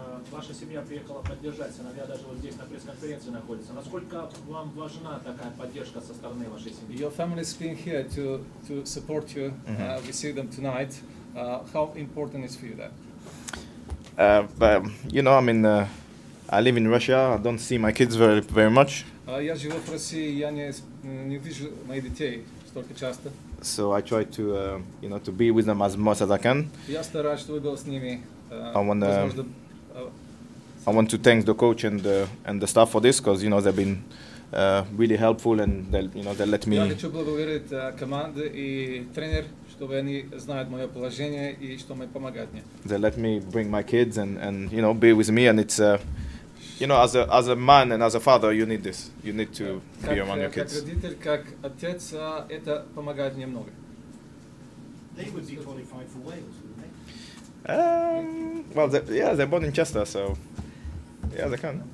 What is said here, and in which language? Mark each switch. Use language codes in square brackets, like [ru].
[ru] Ваша семья приехала поддержать, сыновья даже вот здесь на пресс-конференции находится. Насколько вам важна такая поддержка со стороны вашей семьи? [en] Your family is being here to support you. Mm-hmm. We see them tonight. How important is for you that? But you know, I live in Russia. I don't see my kids very very much. [ru] Я живу в России, я не вижу моих детей столько часто. [en] So I try to you know, to be with them as much as I can. [ru] Я стараюсь, чтобы был с ними. [en] I want to thank the coach and the staff for this, because you know, they've been really helpful and they let me. [ru] Я хочу поблагодарить команду и тренер, чтобы они знают мое положение и что мы помогать мне. [en] They let me bring my kids and you know, be with me, and it's you know, as a man and as a father, you need this. You need to be among your kids. [ru] Как родитель, как отец, это помогает мне много. [en] They would be qualified for Wales, wouldn't they? They're born in Chester, so yeah, they can.